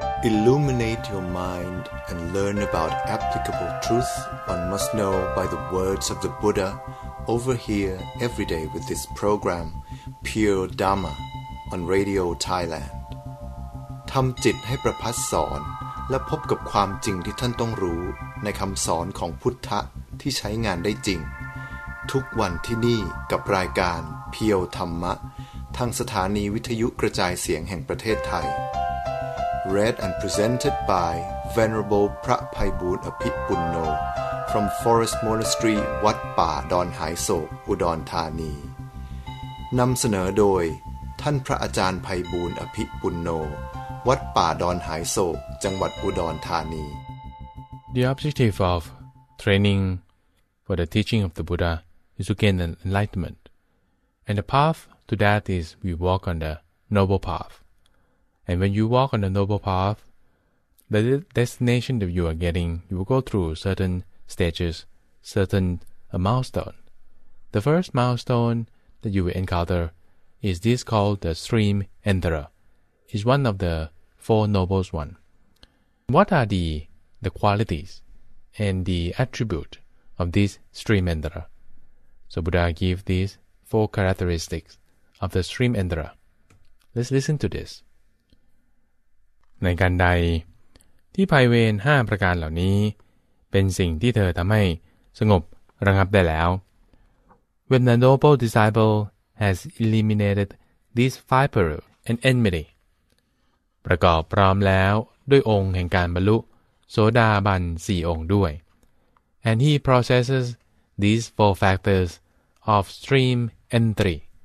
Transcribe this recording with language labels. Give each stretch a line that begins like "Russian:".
English: Illuminate your mind and learn about applicable truth one must know by the words of the Buddha over here every day with this program, Pure Dharma, on Radio Thailand.
Thai: ทำจิตให้ประพัสสอนและพบกับความจริงที่ท่านต้องรู้ในคำสอนของพุทธะที่ใช้งานได้จริงทุกวันที่นี่กับรายการเพียวธรรมะทางสถานีวิทยุกระจายเสียงแห่งประเทศไทย
English: Read and presented by Venerable พระไพบูลย์อภิปุณโญ from Forest Monastery
Thai: วัดป่าดอนหายโศกอุดรธานีนำเสนอโดยท่านพระอาจารย์ไพบูลย์อภิปุณโญวัดป่าดอนหายโศกจังหวัดอุดรธานี
English: The objective of training for the teaching of the Buddha is to gain enlightenment, and the pathTo that is, we walk on the noble path. And when you walk on the noble path, the destination that you are getting, you will go through certain stages, certain milestone. The first milestone that you will encounter is this called the stream enterer. It's one of the four nobles one. What are the qualities and the attribute of this stream enterer? So Buddha gave these four characteristics. Of the stream enterer, let's listen to this.
Thai: ในการใดที่ภัยเวร5ประการเหล่านี้เป็นสิ่งที่เธอทำให้สงบระงับได้แล้ว
English: When the noble disciple has eliminated these five peril and enmity,
Thai: ประกอบพร้อมแล้วด้วยองค์แห่งการบรรลุโสดาบัน4องค์ด้วย
English: and he processes these four factors of stream entry.